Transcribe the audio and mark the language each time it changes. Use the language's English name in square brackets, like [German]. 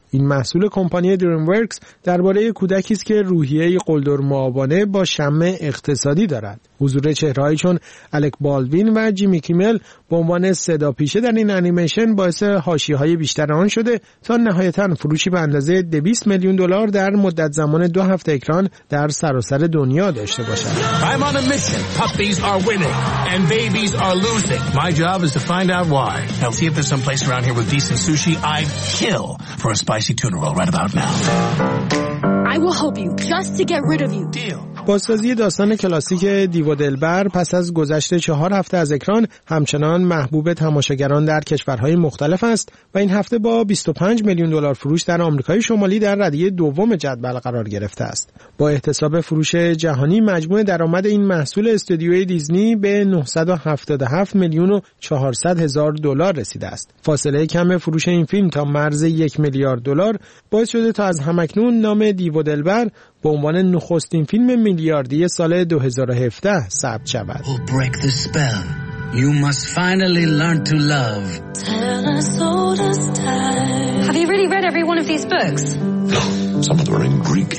[Persian] این محصول کمپانی دریم ورکس درباره کودکی است که روحیه قلدر معابانه با شمع اقتصادی دارد. حضور چهره‌هایی چون الک بالوین و جیمی کیمل به عنوان صداپیشه در این انیمیشن باعث حاشیه‌های بیشتر آن شده تا نهایتاً فروشی به اندازه 200 میلیون دلار در مدت زمان 2 هفته اکران در سراسر دنیا داشته باشد. [English] I'm on a mission. Puppies are winning and babies are losing. My job is to find out why. I'll see if there's some place around here with decent sushi. I'd kill for a spicy tuna roll right about now. I will help you just to get rid of you. Deal. [Persian] بازسازی داستان کلاسیک دیو و دلبر پس از گذشت 4 هفته از اکران همچنان محبوب تماشاگران در کشورهای مختلف است و این هفته با 25 میلیون دلار فروش در آمریکای شمالی در ردیه دوم جدول قرار گرفته است. با احتساب فروش جهانی مجموع درآمد این محصول استودیوی دیزنی به 977 میلیون و 400 هزار دلار رسیده است. فاصله کم فروش این فیلم تا مرز 1 میلیارد دلار باعث شده تا از همکنون نام دیو و دلبر به عنوان نخستین فیلم میلیاردی سال 2017 ثبت شود. [English] We'll break the spell. You must finally learn to love. Tell us all the time. Have you really read every one of these books? No, some of them are in Greek.